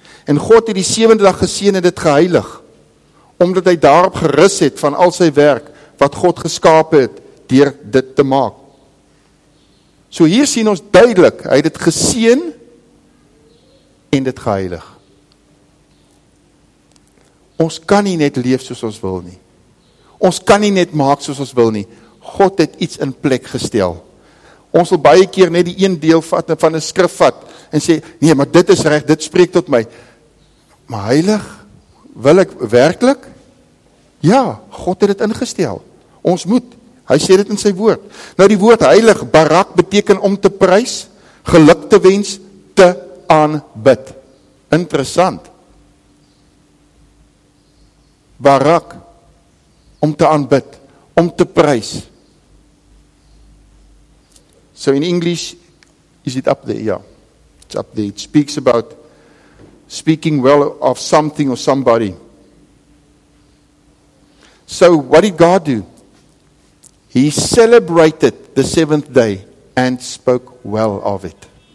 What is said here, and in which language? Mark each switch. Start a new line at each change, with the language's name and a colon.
Afrikaans: En God het die 7de dag geseën en dit geheilig, omdat hy daarop gerus het van al sy werk wat God geskaap het deur dit te maak. So hier sien ons duidelik, hy het dit geseën en dit geheilig. Ons kan nie net leef soos ons wil nie. Ons kan nie net maak soos ons wil nie. God het iets in plek gestel. Ons wil baie keer net die een deel vat van 'n skrif vat en sê, nee, maar dit is reg, dit spreek tot my. Maar heilig, wil ek werklik? Ja, God het dit ingestel. Ons moet. Hy sê dit in sy woord. Nou die woord heilig, barak, beteken om te prys, geluk te wens, te aanbid. Interessant. Barak, om te aanbid, om te prys.
English: So in English, is it up there? Yeah, it's up there. It speaks about speaking well of something or somebody. So what did God do? He celebrated the seventh day and spoke well of it.